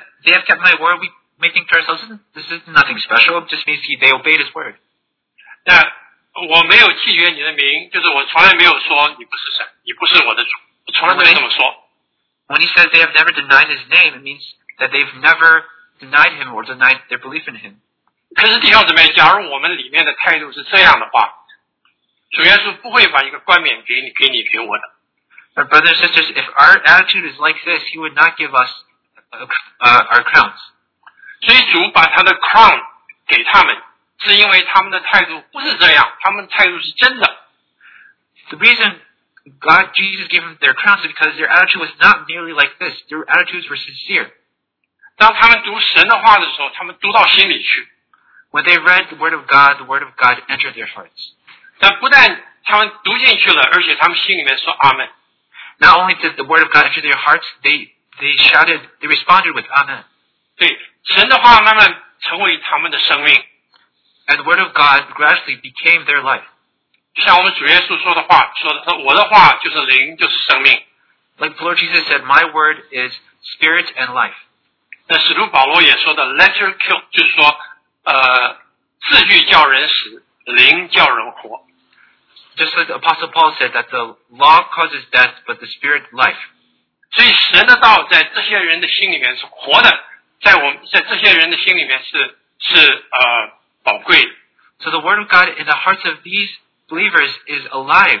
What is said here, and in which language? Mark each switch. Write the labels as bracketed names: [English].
[English] he says they have kept my word, we may think to ourselves, this is nothing special. It just means they obeyed his word. [Chinese] 但我没有弃绝你的名，就是我从来没有说你不是神，你不是我的主，我从来没有这么说。 [English] When he says they have never denied his name, it means that they've never denied him or denied their belief in him. [Chinese] 可是弟兄姊妹，假如我们里面的态度是这样的话，主耶稣不会把一个冠冕给你，给你，给我的。 [English] But brothers and sisters, if our attitude is like this, he would not give us our crowns. [Chinese] 所以主把他的 crown 给他们，是因为他们的态度不是这样，他们态度是真的。 [English] The reason God Jesus gave them their crowns is because their attitude was not merely like this. Their attitudes were sincere. [Chinese] 当他们读神的话的时候，他们读到心里去。 [English] When they read the word of God entered their hearts. [Chinese] 但不但他们读进去了，而且他们心里面说 Amen. [English] Not only did the word of God enter their hearts, they shouted, they responded with Amen. [Chinese] 对，神的话慢慢成为他们的生命. [English] And the word of God gradually became their life. [Chinese] 像我们主耶稣说的话，说的我的话就是灵，就是生命. [English] Like the Lord Jesus said, my word is spirit and life. [Chinese] 那使徒保罗也说的 [English] letter kill [Chinese] 就是说 字句叫人死，灵叫人活。 [English] Just like the Apostle Paul said that the law causes death, but the spirit life. [Chinese] 所以神的道在这些人的心里面是活的，在这些人的心里面是宝贵的。 [English] So the word of God in the hearts of these believers is alive.